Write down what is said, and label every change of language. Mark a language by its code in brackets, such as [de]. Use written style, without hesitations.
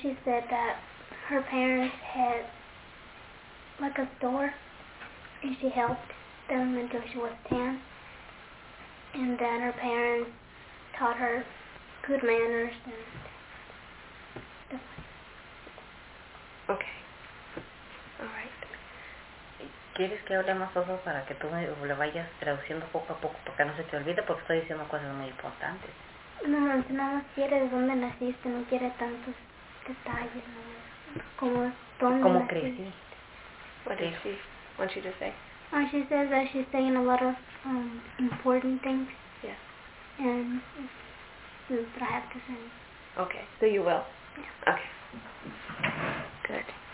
[en] She said that her parents had like a store, and she helped them until she was 10. And then her parents taught her good manners and stuff. Okay. All right. [es] ¿Quieres que hable más ojo para que tú me lo vayas traduciendo poco a poco para que no se te olvide? Porque estoy diciendo cosas muy importantes. No, si nada más quiere de dónde naciste, no quiere tantos detalles, ¿no? Como dónde ¿cómo naciste? Crecí? [en] What did she want you to say? She says that she's saying a lot of important things. Yeah. And that I have to say. Okay, so you will. Yeah. Okay. Good.